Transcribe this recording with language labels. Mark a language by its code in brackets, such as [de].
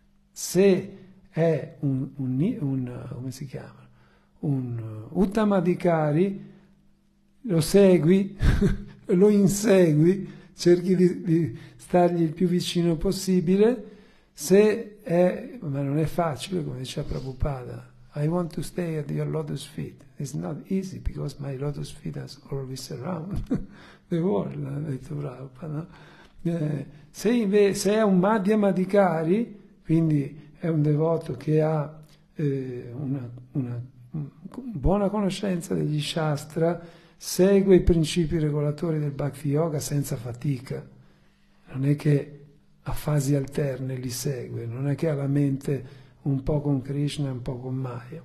[it] Se è come si chiama? Un Uttamadikari, lo segui, lo insegui, cerchi di stargli il più vicino possibile. Se è, ma non è facile, come diceva Prabhupada, [en] I want to stay at your lotus feet. It's not easy because my lotus feet are always around the world, [it] ha detto Prabhupada. Se invece è un Madhyamadikari, quindi è un devoto che ha una buona conoscenza degli Shastra, segue i principi regolatori del Bhakti Yoga senza fatica, non è che a fasi alterne li segue, non è che ha la mente un po' con Krishna e un po' con Maya.